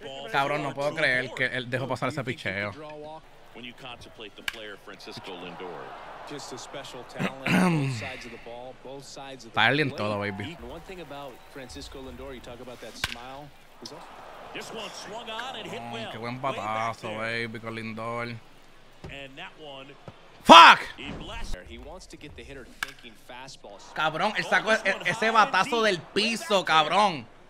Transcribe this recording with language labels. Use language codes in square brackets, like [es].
[es] Cabrón, no puedo creer que él dejó pasar ese picheo. [en] When you contemplate the player Francisco Lindor, just a special talent, both sides of the ball, both sides of the play. [es] Todo, baby. [en] One thing about Francisco Lindor, you talk about that smile. This one swung on and hit well. [es] Qué buen batazo, baby, con Lindor. [en] And that one. Fuck. He wants to get the hitter thinking fastball. [es] Cabrón, él sacó ese batazo del piso, cabrón.